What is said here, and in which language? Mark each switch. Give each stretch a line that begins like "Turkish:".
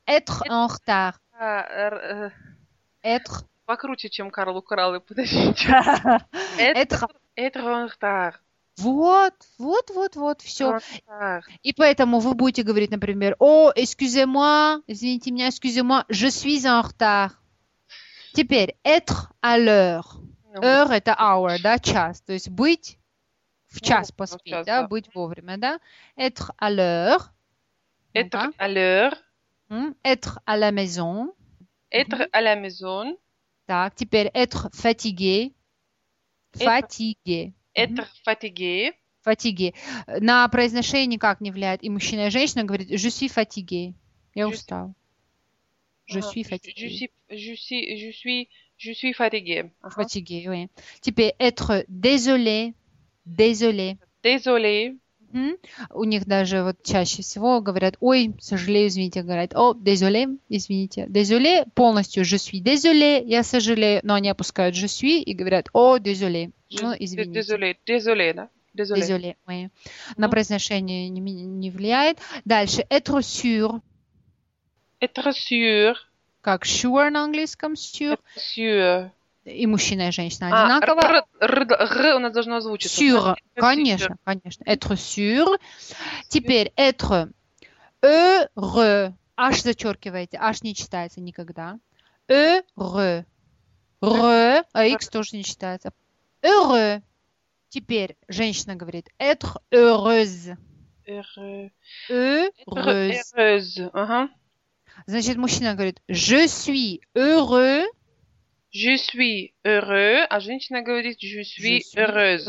Russian: «Этх эн хтар». «Этх». Покруче, чем «Карл украл и подожди». «Этх». «Этх эн хтар». Вот, все. И поэтому вы будете говорить, например,
French: «О, excusez-moi»,
Russian: извините меня, excusez-moi,
French: «je suis en хтар».
Russian: Теперь,
French: être à l'heure.
Russian: Heure – это hour, да, час. То есть быть в час поспеть, час, да, быть вовремя, да.
French: Être à l'heure. Être à l'heure. Être à la maison. Être à la maison. Так, теперь, être fatigué. Fatigué. Être fatigué. Fatigué.
Russian: На произношение никак не влияет и мужчина, и женщина говорит
French: «je suis fatigué».
Russian: Я устал.
French: Je suis fatigué. Je suis fatigué. Uh-huh. Fatigué, oui. Tu peux être désolé. Désolé. Désolé. Mm-hmm.
Russian: У них даже вот чаще всего говорят, ой, сожалею, извините, говорят, о, désolé, извините. Désolé, полностью,
French: je suis désolé,
Russian: я сожалею. Но они опускают je suis и говорят, о, désolé, ну, извините.
French: Désolé, désolé, да? Désolé. Désolé, oui. Mm-hmm.
Russian: На произношение не влияет. Дальше,
French: être sûr. Être sûr.
Russian: Как sure на английском sure.
French: Sûr.
Russian: И мужчина и женщина одинаково. Р у нас должно озвучиться.
French: Sûr. Да?
Russian: Конечно, sûr. Конечно.
French: Être sûr. Теперь être heureux.
Russian: Аж зачеркиваете, аж не читается никогда. Heureux. А X тоже не читается. Heureux. Теперь женщина говорит être heureuse.
French: Heureux. Heureuse. Ага.
Russian: Значит, мужчина говорит
French: «Je suis heureux». «Je suis heureux»,
Russian: а женщина говорит
French: «Je suis heureuse».